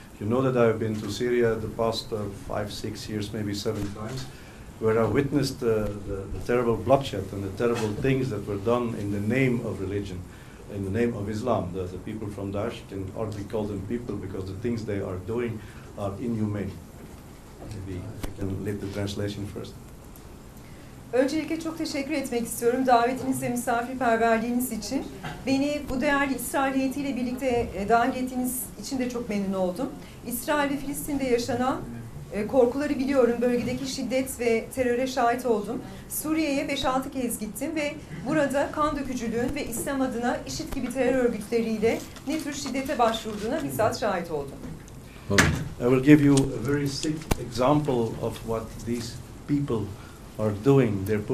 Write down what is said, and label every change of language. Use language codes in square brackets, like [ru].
[en] You know that I've been to Syria the past 5, 6 years, maybe 7 times, where I witnessed the terrible bloodshed and the terrible things that were done in the name of religion. In the name of Islam, the people from Daesh can hardly call them people because the things they are doing are inhumane. Maybe I can leave the translation first. [tr] Öncelikle çok teşekkür etmek istiyorum davetiniz ve misafirperverliğiniz için. Beni bu değerli İsrail heyetiyle birlikte davet ettiğiniz için de çok memnun oldum. İsrail ve Filistin'de yaşanan korkuları biliyorum. Bölgedeki şiddet ve teröre şahit oldum. Suriye'ye 5-6 kez gittim ve burada kan dökücülüğün ve İslam adına IŞİD gibi terör örgütleriyle ne tür şiddete başvurduğuna bizzat şahit oldum. [en] I will give you a very sick example of what these people are doing.